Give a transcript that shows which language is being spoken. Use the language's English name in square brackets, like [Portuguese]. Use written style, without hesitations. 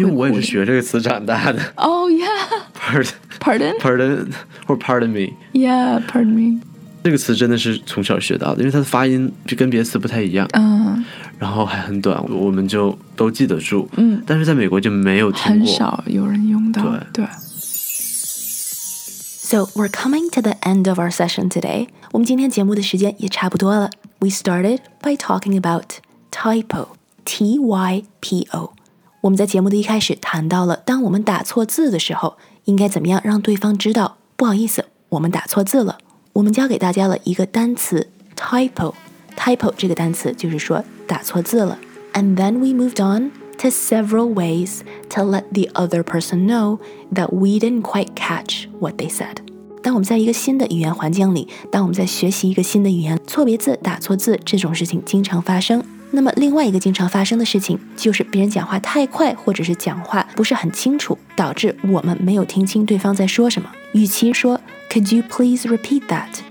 [Chinese] 因为我也是学这个词长大的 [English] Oh yeah Pardon Pardon Or pardon me Yeah pardon me [Chinese] 这个词真的是从小学到的因为它的发音就跟别的词不太一样、嗯、然后还很短我们就都记得住、嗯、但是在美国就没有听过很少有人用到对对 [English] So we're coming to the end of our session today. [Chinese] 我们今天节目的时间也差不多了。 [English] We started by talking about typo, T-Y-P-O. [Chinese] 我们在节目的一开始谈到了当我们打错字的时候应该怎么样让对方知道不好意思我们打错字了。我们教给大家了一个单词 typo. Typo 这个单词就是说打错字了。 [English] And then we moved on to several ways to let the other person know that we didn't quite catch what they said. [Chinese] 当我们在一个新的语言环境里，当我们在学习一个新的语言，错别字、打错字这种事情经常发生。那么另外一个经常发生的事情，就是别人讲话太快，或者是讲话不是很清楚，导致我们没有听清对方在说什么。与其说 [English] Could you please repeat that?